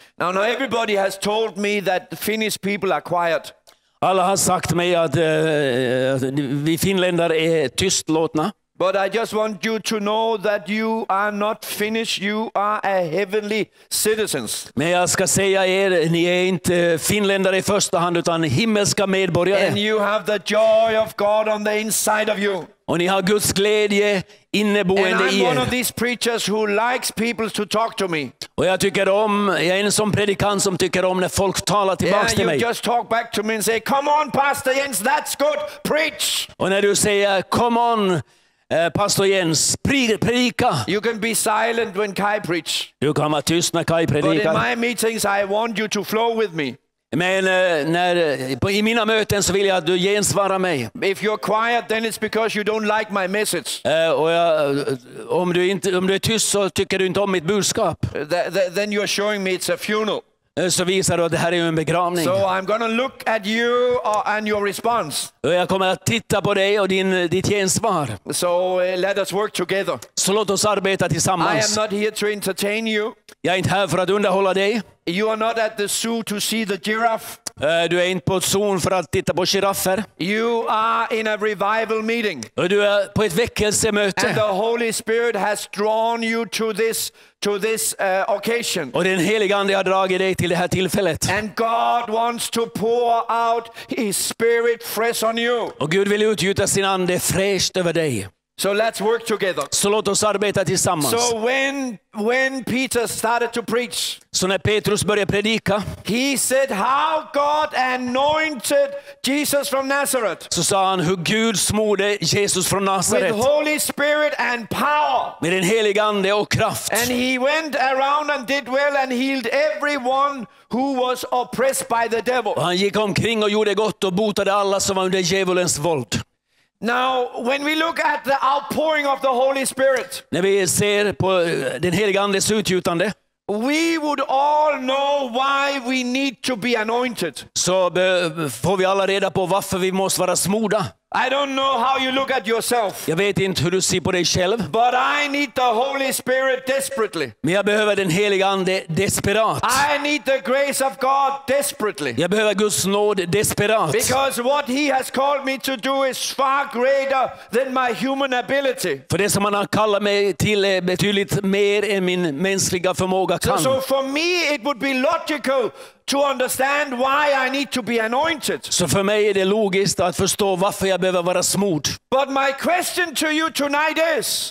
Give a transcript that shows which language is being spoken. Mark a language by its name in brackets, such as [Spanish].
[English] Now everybody has told me that Finnish people are quiet. [Swedish] Alla har sagt mig att vi finländare är tystlåtna. [English] But I just want you to know that you are not Finnish, you are a heavenly citizens. [Swedish] Men jag ska säga er, ni är inte finländare i första hand utan himmelska medborgare. [English] And you have the joy of God on the inside of you. [Swedish] Och ni har Guds glädje inneboende i er. [English] And I'm one of these preachers who likes people to talk to me. [Swedish] Och jag är en sån predikant som tycker om när folk talar tillbaka till mig. [English] And you just talk back to me and say, "Come on, Pastor Jens, that's good, preach." [Swedish] Och när du säger, [English] "Come on, [Swedish] Pastor Jens, predika." [English] You can be silent when Kai preach. [Swedish] Du kan vara tyst när Kai predikar. [English] But in my meetings, I want you to flow with me. [Swedish] Men i mina möten så vill jag att du gensvarar mig. [English] If you're quiet, then it's because you don't like my message. [Swedish] Om du är tyst så tycker du inte om mitt budskap. [English] Then you're showing me it's a funeral. [Swedish] Så visar du att det här är en begravning. [English] So I'm going to look at you and your response. [Swedish] Och jag kommer att titta på dig och ditt gensvar. [English] So let us work together. [Swedish] Så låt oss arbeta tillsammans. [English] I am not here to entertain you. [Swedish] Jag är inte här för att underhålla dig. [English] You are not at the zoo to see the giraffe. [Swedish] Du är in på zon för att titta på giraffer. [English] You are in a revival meeting. [Swedish] Du är på ett väckelsemöte. [English] And the Holy Spirit has drawn you to this occasion. [Swedish] Och den helige ande har dragit dig till det här tillfället. [English] And God wants to pour out his spirit fresh on you. [Swedish] Och Gud vill utgjuta sin ande fräscht över dig. [English] So let's work together. [Swedish] Så låt oss arbeta tillsammans. [English] So when Peter started to preach, [Swedish] så när Petrus började predika, [English] he said how God anointed Jesus from Nazareth. [Swedish] Så sa han hur Gud smorde Jesus från Nazaret. [English] With Holy Spirit and power. [Swedish] Med den helige ande och kraft. [English] And he went around and did well and healed everyone who was oppressed by the devil. [Swedish] Han gick omkring och gjorde gott och botade alla som var under djävulens våld. [English] Now, when we look at the outpouring of the Holy Spirit, [Swedish] när vi ser på den helige andes utgjutande, [English] we would all know why we need to be anointed. [Swedish] Så får vi alla reda på varför vi måste vara smorda. [English] I don't know how you look at yourself. [Swedish] Jag vet inte hur du ser på dig själv. [English] But I need the Holy Spirit desperately. [Swedish] Men jag behöver den helige ande desperat. [English] I need the grace of God desperately. [Swedish] Jag behöver Guds nåd desperat. [English] Because what he has called me to do is far greater than my human ability. [Swedish] För det som han har kallat mig till är betydligt mer än min mänskliga förmåga kan. [English] So for me it would be logical to understand why I need to be anointed. [Swedish] Så för mig är det logiskt att förstå varför jag behöver vara smord. [English] But my question to you tonight is.